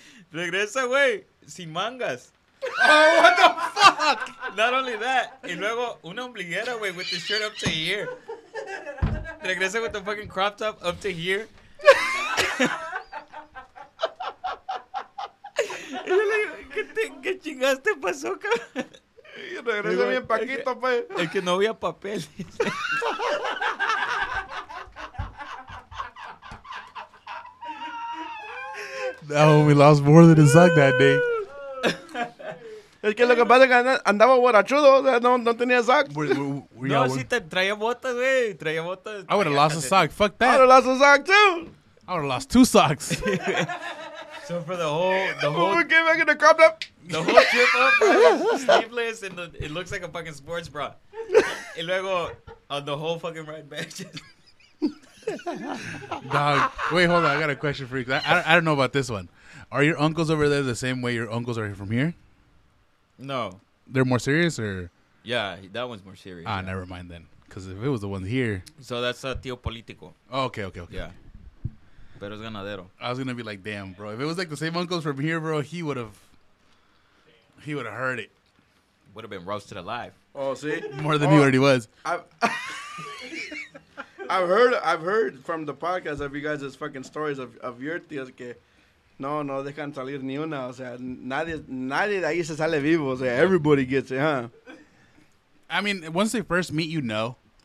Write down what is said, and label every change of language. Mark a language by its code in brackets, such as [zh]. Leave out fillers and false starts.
[es] Regresa, güey. Sin mangas. [en] Oh, what the fuck? Not only that. [es] Y luego, una ombliguera, güey, [en] with the shirt up to here. [es] Regresa [en] with the fucking crop top up to here. [es] Y yo le digo, ¿qué chingas te pasó, cabrón? Y regresa digo, bien paquito, es que, pues. Es que no había papel. [en] That homie lost more than his sock that day. [es] Es que lo que pasa es que andaba borrachudo, o sea, no tenía sock. No, sí, traía botas, güey, traía botas. [en] I would have lost a sock, fuck that. I would have lost a sock, too. I would have lost two socks. So for the whole we came back in the crop top. The whole trip up, sleeveless, and it looks like a fucking sports bra. [es] Y luego, [en] the whole fucking ride back. Dog, wait, hold on, I got a question for you. I don't know about this one. Are your uncles over there the same way your uncles are from here? No. They're more serious, or? Yeah, that one's more serious. Ah, never mind then. Because if it was the one here. So that's a tío político. Oh, okay. [es] Yeah. Pero es ganadero. [en] I was going to be like, damn, bro. If it was like the same uncles from here, bro, he would have heard it. Would have been roasted alive. Oh, see? More than he already was. I've heard from the podcast of you guys' fucking stories of your tías [es] que no dejan salir ni una. O sea, nadie de ahí se sale vivo. O sea, [en] everybody gets it, huh? I mean, once they first meet you, no.